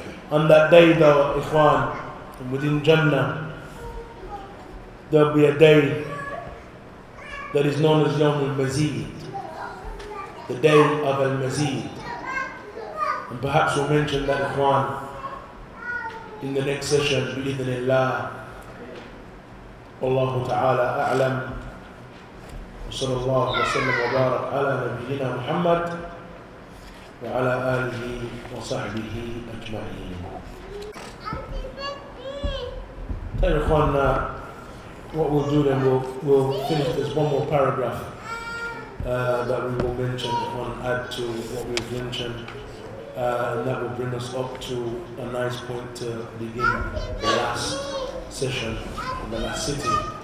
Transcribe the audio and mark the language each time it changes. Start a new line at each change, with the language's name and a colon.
English: On that day though, Ikhwan, within Jannah, there'll be a day that is known as Yawm al-Mazid, the day of al-Mazid. And perhaps we'll mention that, Ikhwan, in the next session, bi-idhnillah.
Arabic: Allahu ta'ala a'lam. صلى الله وسلم وبارك على نبينا محمد وعلى آله وصحبه أجمعين. طيب إخواننا,
English: what we'll do then, we'll finish this one more paragraph that we will mention and add to what we've mentioned, and that will bring us up to a nice point to begin the last session and the last sitting.